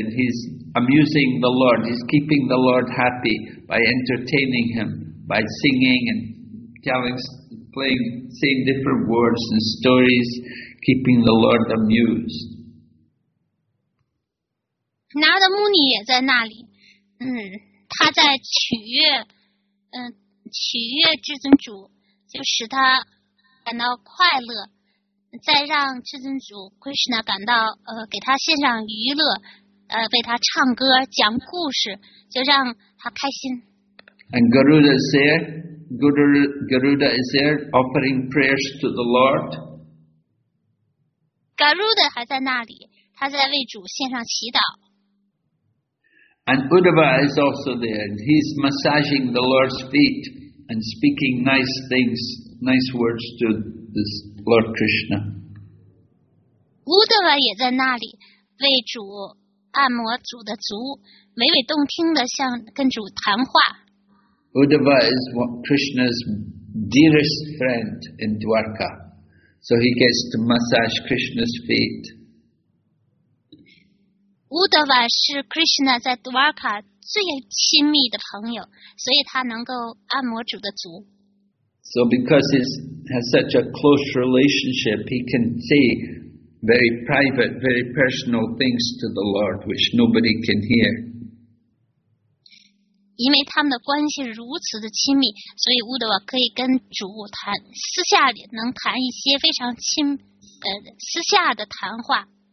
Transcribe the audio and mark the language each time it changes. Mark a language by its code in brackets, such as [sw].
[en] He's amusing the Lord. He's keeping the Lord happy by entertaining him by singing and saying different words and stories, keeping the Lord amused. [zh] Narada Muni 也在那里。嗯。他在取悦至尊主，就使他感到快乐，再让至尊主 Krishna 感到给他献上娱乐，为他唱歌讲故事，就让他开心。 [en] And Garuda is there, Garuda is there offering prayers to the Lord. [zh] Garuda 还在那里，他在为主献上祈祷。 [en] And Uddhava is also there. He's massaging the Lord's feet and speaking nice things, nice words to this Lord Krishna. [zh] Uddhava 也在那里为主按摩主的足，娓娓动听的向跟主谈话。 [en] Uddhava is Krishna's dearest friend in Dwarka, so he gets to massage Krishna's feet. [zh] Uddhava 是 Krishna 在 Dwarka 最亲密的朋友，所以他能够按摩主的足。 [en] So because he has such a close relationship, he can say very private, very personal things to the Lord, which nobody can hear. [zh] 因为他们的关系如此的亲密，所以 Uddhava 可以跟主谈，私下里能谈一些非常私下的谈话。